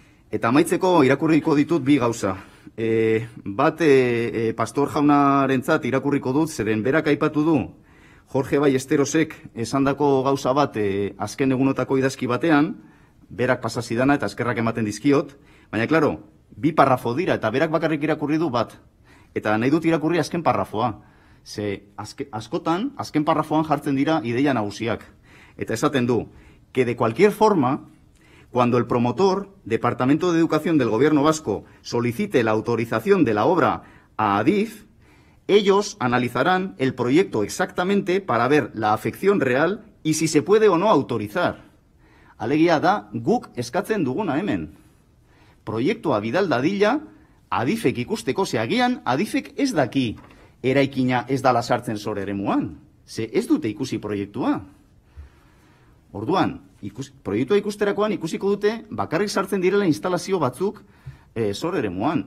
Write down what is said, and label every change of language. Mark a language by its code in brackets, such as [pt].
[eu] Eta amaitzeko irakurriko ditut bi gauza. Bat Pastor jaunarentzat irakurriko dut, zeren berak aipatu du Jorge Ballesterosek esandako gauza bat azken egunotako idazki batean, berak pasasi dana eta eskerrak ematen dizkiot, baina klaro, bi parrafo dira eta berak bakarrik irakurri du bat. Eta nahi dut irakurri azken parrafoa. Ze askotan azken parrafoan jartzen dira ideia nagusiak. [es] Eta esaten du, que de cualquier forma, cuando el promotor, Departamento de Educación del Gobierno Vasco, solicite la autorización de la obra a ADIF, ellos analizarán el proyecto exactamente para ver la afección real y si se puede o no autorizar. [eu] Alegia da, guk eskatzen duguna hemen. Proiektua bidal dadila, ADIFek ikusteko zeagian, ADIFek ez daki eraikina ez dala sartzen zor eremuan. Ze ez dute ikusi proiektua. Orduan, proiektua ikusterakoan ikusiko dute bakarrik sartzen direla instalazio batzuk zor eremuan.